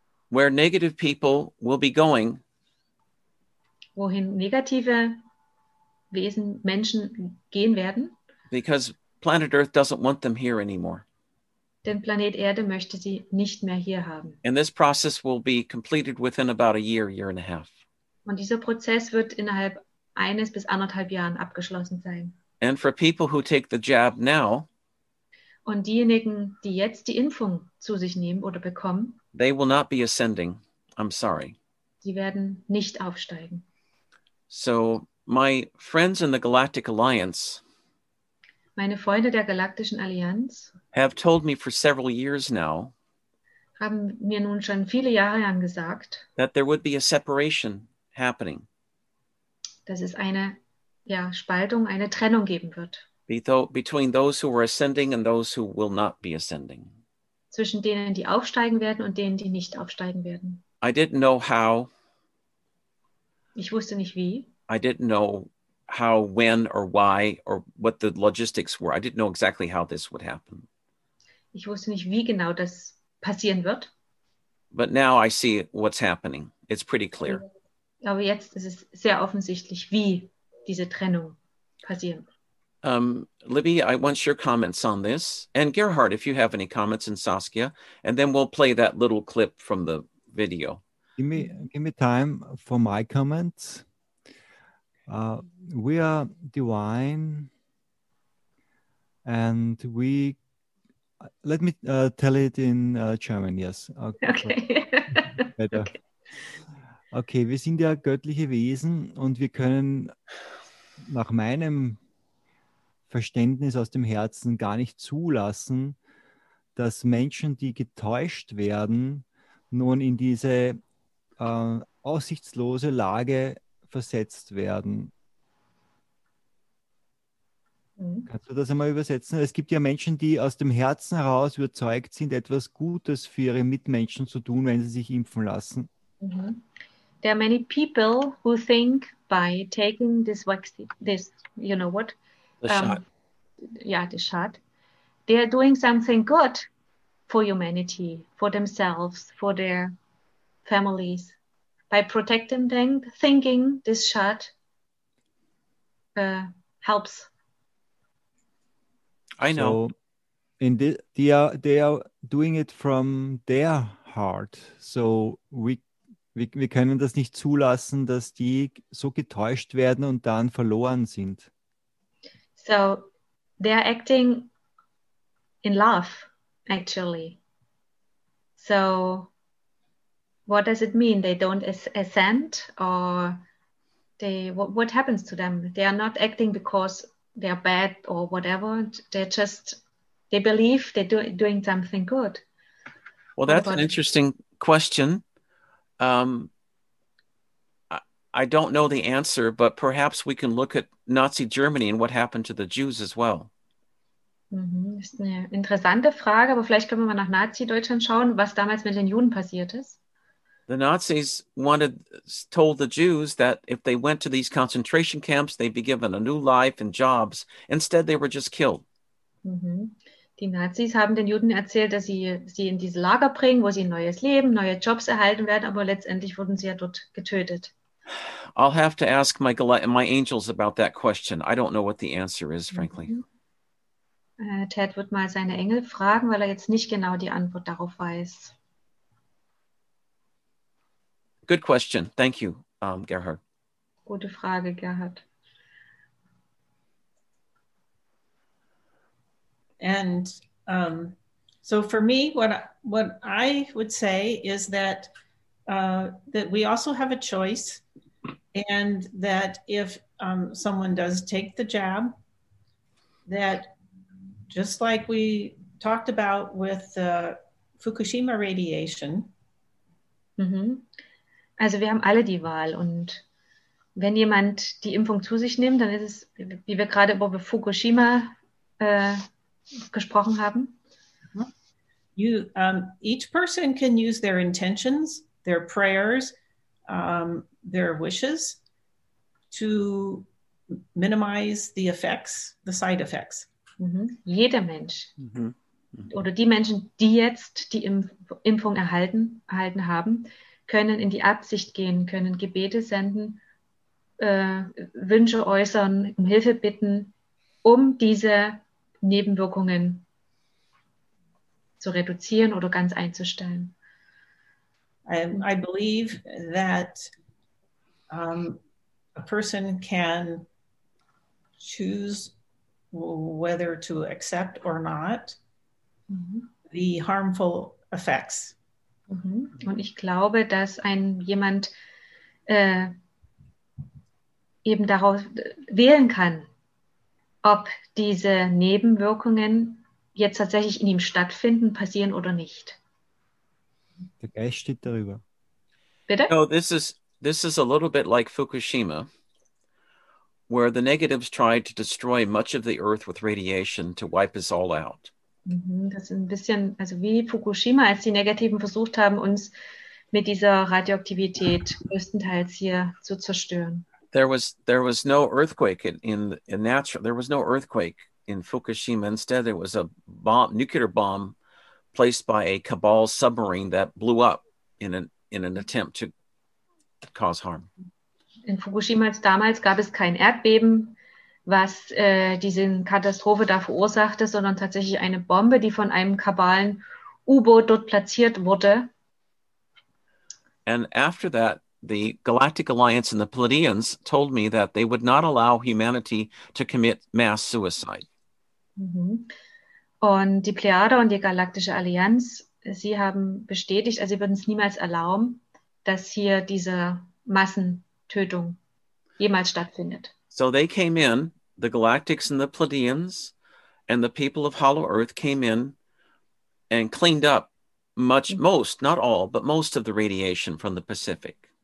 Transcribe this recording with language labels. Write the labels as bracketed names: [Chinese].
[English] Where negative people will be going. [German] Wohin negative Wesen, Menschen gehen werden. [English] Because planet Earth doesn't want them here anymore. [German] Denn Planet Erde möchte sie nicht mehr hier haben. [English] And this process will be completed within about a year, year and a half. [German] Und dieser Prozess wird innerhalb eines bis anderthalb Jahren abgeschlossen sein. [English] And for people who take the jab now. [German] Und diejenigen, die jetzt die Impfung zu sich nehmen oder bekommen. [English] They will not be ascending. I'm sorry. [German] Sie werden nicht aufsteigen. [English] So my friends in the Galactic Alliance. [German] Meine Freunde der Galaktischen Allianz [English] have told me for several years now, [German] haben mir nun schon viele Jahre lang gesagt, [English] that there would be a separation happening. [German] Dass es eine Spaltung, eine Trennung geben wird. [English] Between those who are ascending and those who will not be ascending. [German] Zwischen denen, die aufsteigen werden und denen, die nicht aufsteigen werden. [English] I didn't know how. [German] Ich wusste nicht wie. [English] I didn't know how, when, or why, or what the logistics were. I didn't know exactly how this would happen. [German] Ich wusste nicht, wie genau das passieren wird. [English] But now I see what's happening. It's pretty clear. [German] Aber jetzt ist es sehr offensichtlich, wie diese Trennung passieren wird. [English] Libby, I want your comments on this. And Gerhard, if you have any comments, and Saskia, and then we'll play that little clip from the video. Give me time for my comments. We are divine, and we, let me tell it in German, yes. Okay. Better. [German] Okay, wir sind ja göttliche Wesen und wir können nach meinem Verständnis aus dem Herzen gar nicht zulassen, dass Menschen, die getäuscht werden, nun in diese aussichtslose Lage versetzt werden. Mhm. Kannst du das einmal übersetzen? Es gibt ja Menschen, die aus dem Herzen heraus überzeugt sind, etwas Gutes für ihre Mitmenschen zu tun, wenn sie sich impfen lassen. Mhm. [English] There are many people who think by taking this vaccine, this, you know what? The shot. They are doing something good for humanity, for themselves, for their families, by protecting them, thinking this shot helps. I know. So, and they are doing it from their heart. [German] So we können das nicht zulassen, dass die so getäuscht werden und dann verloren sind. [English] So they are acting in love, actually. So what does it mean? They don't assent, or they what happens to them? They are not acting because they are bad or whatever. They're just, they believe they're doing something good. Well, that's an interesting question. I don't know the answer, but perhaps we can look at Nazi Germany and what happened to the Jews as well. Mm-hmm. [German] Ist eine interessante Frage, aber vielleicht können wir mal nach Nazi-Deutschland schauen, was damals mit den Juden passiert ist. [English] The Nazis told the Jews that if they went to these concentration camps, they'd be given a new life and jobs. Instead, they were just killed. Mm-hmm. [German] Die Nazis haben den Juden erzählt, dass sie in diese Lager bringen, wo sie ein neues Leben, neue Jobs erhalten werden, aber letztendlich wurden sie ja dort getötet. [English] I'll have to ask my angels about that question. I don't know what the answer is, frankly. [German] Ted wird mal seine Engel fragen, weil jetzt nicht genau die Antwort darauf weiß. [English] Good question. Thank you, Gerhard. [German] Gute Frage, Gerhard. [English] And so for me, what I would say is that we also have a choice. And that if someone does take the jab, that just like we talked about with the Fukushima radiation. [German] Mm-hmm. Also wir haben alle die Wahl. Und wenn jemand die Impfung zu sich nimmt, dann ist es, wie wir gerade über Fukushima gesprochen haben. [English] You, each person can use their intentions, their prayers, their wishes to minimize the effects, the side effects. [German] Mm-hmm. Jeder Mensch. Mm-hmm. Mm-hmm. Oder die Menschen, die jetzt die Impfung erhalten haben, können in die Absicht gehen, können Gebete senden, Wünsche äußern, um Hilfe bitten, um diese Nebenwirkungen zu reduzieren oder ganz einzustellen. [English] I believe that a person can choose whether to accept or not mm-hmm. the harmful effects. Mm-hmm. [German] Und ich glaube, dass jemand eben darauf wählen kann, ob diese Nebenwirkungen jetzt tatsächlich in ihm stattfinden, passieren oder nicht. Der Geist steht darüber. Bitte? [English] No, this is a little bit like Fukushima, where the negatives tried to destroy much of the earth with radiation to wipe us all out. [German] Das ist ein bisschen, also wie Fukushima, als die Negativen versucht haben, uns mit dieser Radioaktivität größtenteils hier zu zerstören. [English] There was no earthquake in natural. There was no earthquake in Fukushima. Instead, there was a bomb, nuclear bomb, placed by a cabal submarine that blew up in an attempt to cause harm. [German] In Fukushima damals gab es kein Erdbeben, was diese Katastrophe da verursachte, sondern tatsächlich eine Bombe, die von einem kabalen U-Boot dort platziert wurde. [English] And after that, the Galactic Alliance and the Pleiadians told me that they would not allow humanity to commit mass suicide. Mm-hmm. [German] Und die Pleiade und die Galaktische Allianz, sie haben bestätigt, also sie würden es niemals erlauben, dass hier diese Massentötung jemals stattfindet. [English] So they came in, the Galactics and the Pleiadians and the people of Hollow Earth came in and cleaned up most of the radiation from the Pacific.